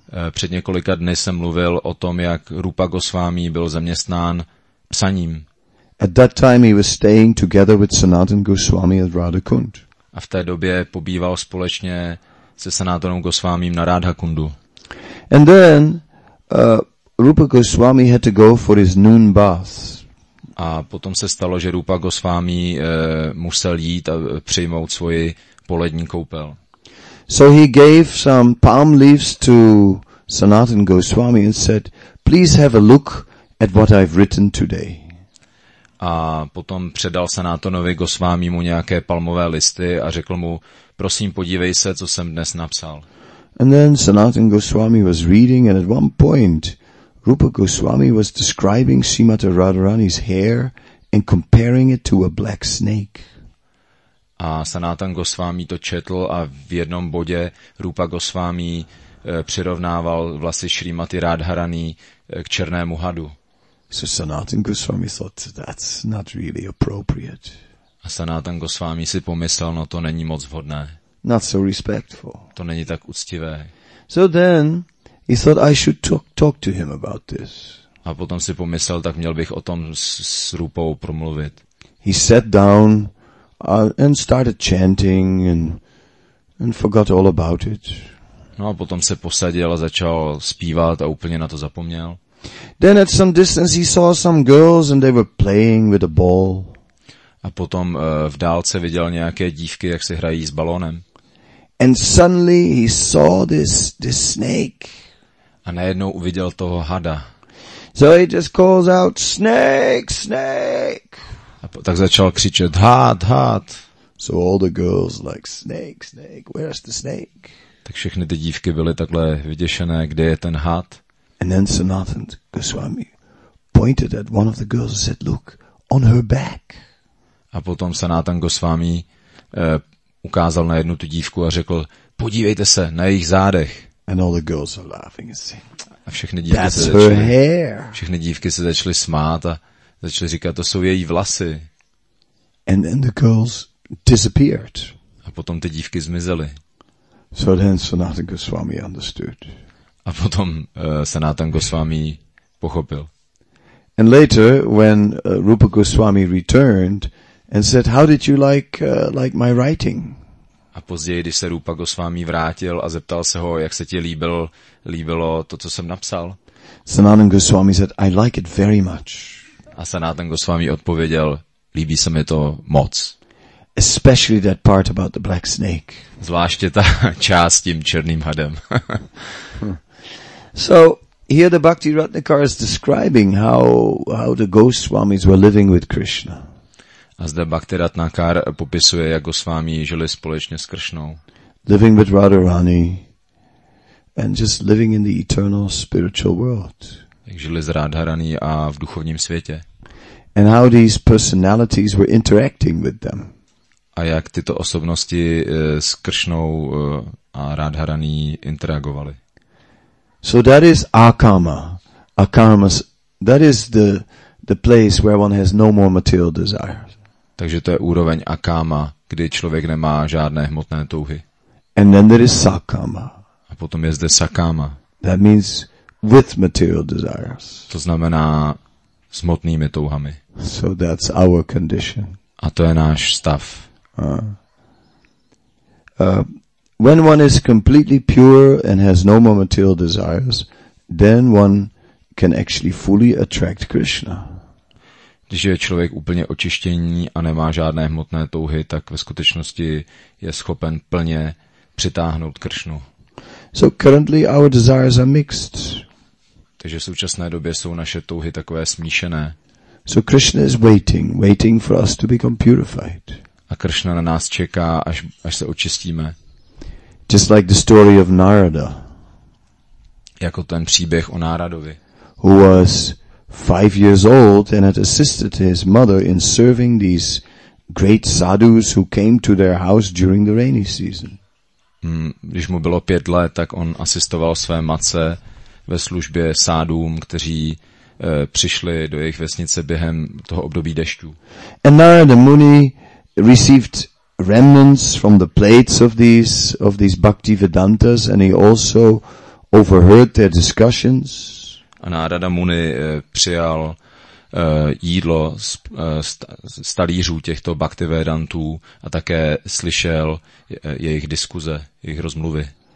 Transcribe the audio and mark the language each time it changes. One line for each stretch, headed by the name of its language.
Czech: Před několika dny jsem mluvil o tom, jak Rupa Goswami byl zaměstnán psaním.
English: At that time he was staying together with Sanatan Goswami at Radhakund.
Czech: A v té době pobýval společně se Sanatanem Goswamim na Radhakundu.
English: And then Rupa Goswami had to go for his noon bath.
Czech: A potom se stalo, že Rupa Goswami musel jít a přijmout svoji polední koupel.
English: So he gave some palm leaves to Sanatan Goswami and said, please have a look at what I've written today.
Czech: A potom předal Sanatanovi Goswami mu nějaké palmové listy a řekl mu, prosím, podívej se, co jsem dnes napsal.
English: And then Sanatan Goswami was reading and at one point Rupa Goswami was describing Srimati Radharani's hair and comparing it to a black snake.
Czech: A Sanatan Goswami to četl a v jednom bodě Rupa Goswami přirovnával vlasy Srimati Radharani k černému hadu.
English: So Sanatan Goswami thought that's not really appropriate.
Czech: A Sanatan Goswami si pomyslel, no to není moc vhodné.
English: Not so respectful.
Czech: To není tak uctivé.
English: So then he thought I should talk to him about this.
Czech: A potom si pomyslel, tak měl bych o tom s Rupou promluvit.
English: He sat down and started chanting and forgot all about it.
Czech: No a potom se posadil a začal zpívat a úplně na to zapomněl.
English: Then at some distance he saw some girls and they were playing with a ball.
Czech: A potom v dálce viděl nějaké dívky, jak si hrají s balónem.
English: And suddenly he saw this snake.
Czech: A najednou uviděl toho hada.
English: So he just calls out, snake, snake.
Czech: A tak začal křičet, had, had.
English: So all the girls like, snake, snake, where's the snake?
Czech: Tak všechny ty dívky byly takhle vyděšené, kde je ten had.
English: And then Sanatan Goswami pointed at one of the girls and said, look, on her back.
Czech: A potom Sanatan Goswami ukázal na jednu tu dívku a řekl, podívejte se, na jejich zádech.
English: And all the girls are laughing and saying,
Czech: a všechny dívky
English: that's
Czech: se
English: her hair.
Czech: Všechny dívky se začaly smát a začaly říkat, to jsou její vlasy.
English: And then the girls disappeared.
Czech: A potom ty dívky zmizely.
English: So then Sanatan Goswami understood.
Czech: A potom Sanatan Goswami pochopil.
English: And later, when Rupa Goswami returned and said, how did you like my writing?
Czech: A později, když se Rupa Goswami vrátil a zeptal se ho, jak se ti líbilo to, co jsem napsal.
English: Sanatan Goswami said, I like it very much.
Czech: A Sanatan Goswami odpověděl, líbí se mi to moc.
English: Especially that part about the black snake.
Czech: Zvláště ta část s tím černým hadem.
English: So here the Bhakti Ratnakara is describing how the Goswamis were living with Krishna.
Czech: A zde Bhakti Ratnakara popisuje, jak Goswami žili společně s Kršnou.
English: Living with Radharani and just living in the eternal spiritual world.
Czech: Jak žili s Radharani a v duchovním světě.
English: And how these personalities were interacting with them.
Czech: A jak tyto osobnosti s Kršnou a Radharani interagovali.
English: So that is akama, akamas, that is the place where one has no more material desires.
Czech: Takže to je úroveň akama, kdy člověk nemá žádné hmotné touhy.
English: And then there is sakama.
Czech: A potom je zde sakama.
English: That means with material desires.
Czech: To znamená s hmotnými touhami.
English: So that's our condition.
Czech: A to je náš stav.
English: When one is completely pure and has no more material desires, then one can actually fully attract Krishna.
Czech: Když je člověk úplně očištění a nemá žádné hmotné touhy, tak ve skutečnosti je schopen plně přitáhnout Kršnu.
English: So currently our desires are mixed.
Czech: Takže v současné době jsou naše touhy takové smíšené.
English: So Krishna is waiting for us to become purified.
Czech: A Kršna na nás čeká, až se očistíme.
English: Just like the story of Narada.
Czech: Jako ten příběh o Náradovi.
English: Who was 5 years old and had assisted his mother in serving these great sadhus who came to their house during the rainy season.
Czech: Když mu bylo 5 let, tak on asistoval své matce ve službě sádům, kteří přišli do jejich vesnice během toho období dešťů.
English: And Narada Muni received remnants from the plates of these bhakti vedantas and he also overheard their discussions.
Czech: A Narada Muni přijal jídlo z talířů těchto bhakti vedantů a také slyšel jejich diskuze, jejich rozmluvy.